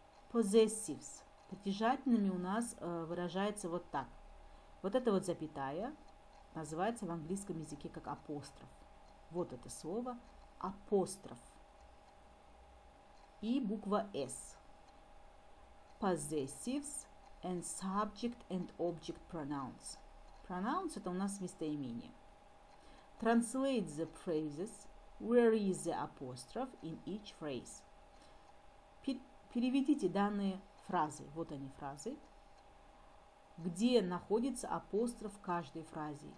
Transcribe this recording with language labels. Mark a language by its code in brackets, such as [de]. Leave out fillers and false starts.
[en] Possessives. [ru] Притяжательными у нас выражается вот так. Вот эта вот запятая называется в английском языке как апостроф. Вот это слово «апостроф» и буква «с». [en] Possessives and subject and object pronouns. [ru] Pronouns – это у нас местоимение. [en] Translate the phrases «where is the apostrophe» in each phrase. [ru] Переведите данные фразы. Вот они фразы. Где находится апостроф в каждой фразе?